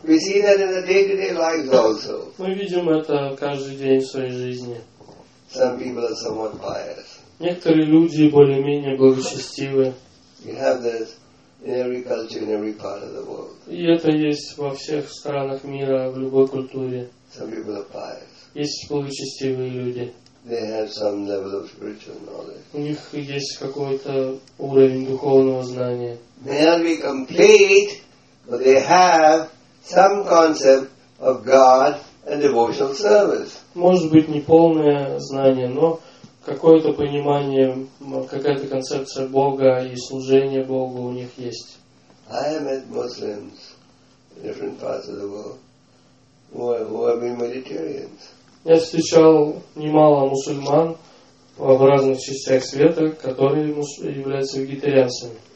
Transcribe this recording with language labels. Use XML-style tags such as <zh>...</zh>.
<en>We see that in the day-to-day lives also.</en> <ru>Мы видим это каждый день в своей жизни.</ru> <en>Some people are somewhat pious.</en> <ru>Некоторые люди более-менее благочестивы.</ru> <en>We have this in every culture, in every part of the world.</en> <ru>И это есть во всех странах мира, в любой культуре.</ru> <en>Some people are pious.</en> <ru>Есть благочестивые люди.</ru> <en>They have some level of spiritual knowledge.</en> <ru>У них есть какой-то уровень духовного знания.</ru> <en>They are not complete, but they have some concept of God and devotional service.</en> <ru>Может быть не полное знание, но какое-то понимание, какая-то концепция Бога и служения Богу у них есть.</ru> <en>I have met Muslims in different parts of the world who have been vegetarians.</en> <ru>Я встречал немало мусульман в разных частях света, которые являются вегетарианцами.</ru>